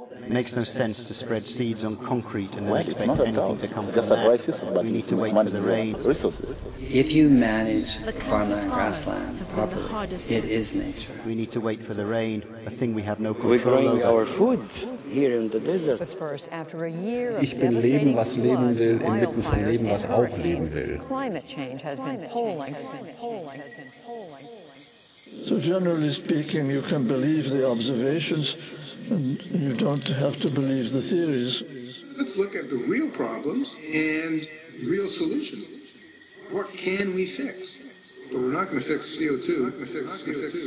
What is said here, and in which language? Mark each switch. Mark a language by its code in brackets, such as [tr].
[en] It makes no sense to spread seeds on concrete and then expect anything to come from that. We need to wait for the rain. If you manage farmland and grassland properly, it is nature. We need to wait for the rain, a thing we have no control over. We're growing our food here in the desert. But first, after a year of [de] ich bin Leben, was leben will, inmitten von Leben, was auch leben will. [en] Climate change has been pulling. So generally speaking, you can believe the observations, and you don't have to believe the theories. Let's look at the real problems and real solutions. What can we fix? But we're not going to fix CO2.